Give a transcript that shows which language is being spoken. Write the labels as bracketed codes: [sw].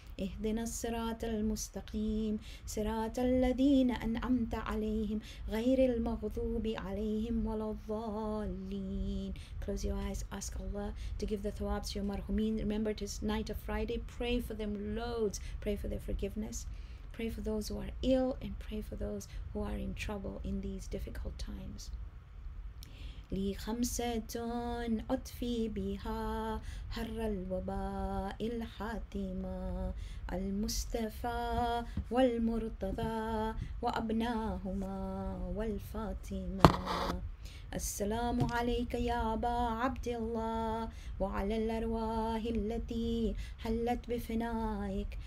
[ar] اهدنا الصراط المستقيم صراط الذين أنعمت عليهم غير المغضوب عليهم ولا الضالين. [en] Close your eyes, ask Allah to give the thawab to your marhumin. Remember, it is night of Friday, pray for them loads, pray for their forgiveness, pray for those who are ill, and pray for those who are in trouble in these difficult times. [ar] لي خمسة أطفي بها حر الوباء الحاتمة المصطفى والمرتضى وأبناهما والفاطمة. السلام عليك يا أبا عبد الله وعلى الأرواح التي حلت بفنائك.